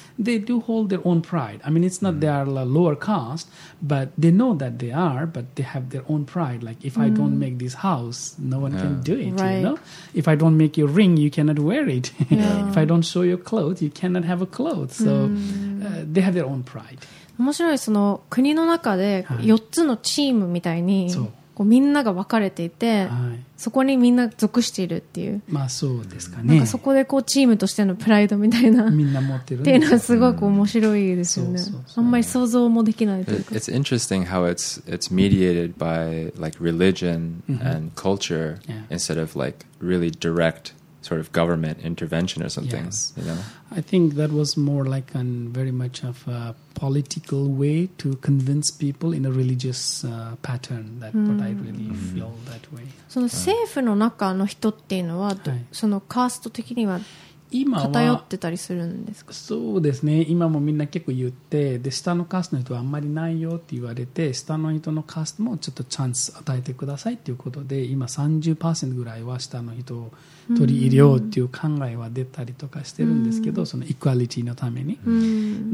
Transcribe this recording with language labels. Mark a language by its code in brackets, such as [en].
[en] They do hold their own pride. I mean, it's not they are lower caste, but they know that they are, but they have their own pride. Like, if I don't make this house, no one can do it, you know? If I don't make your ring, you cannot wear it. If I don't show your clothes, you cannot have a clothes. So they have their own pride. [ja] 面白い、その国の中で4つのチームみたいに、こうみんなが分かれていて、そこにみんな属しているっていう。まあそうですかね。なんかそこでこうチームとしてのプライドみたいな。みんな持ってる。っていうのはすごく面白いですよね。あんまり想像もできないというか。 [en] It's interesting how it's mediated by like religion and culture instead of like really direct sort of government intervention or something. Yes. You know? I think that was more like a very much of a political way to convince people in a religious pattern. That what I really feel that way. [ja] その政府の中の人っていうのは、そのカースト的には偏ってたりするんですか？そうですね。今もみんな結構言って、で下のカーストの人はあんまりないよって言われて、下の人のカーストもちょっとチャンス与えてくださいっていうことで、今 30% ぐらいは下の人を取り入れようっていう考えは出たりとかしてるんですけど、そのイクアリティのために。